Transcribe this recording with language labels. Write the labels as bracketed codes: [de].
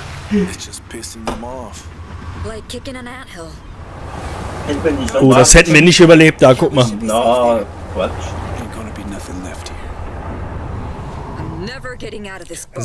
[en] It's just pissing them off. Like kicking an anthill. [de] Oh, das hätten wir nicht überlebt da, guck mal. No, Quatsch. [en] There's gonna be nothing left here. I'm never getting out of this boat.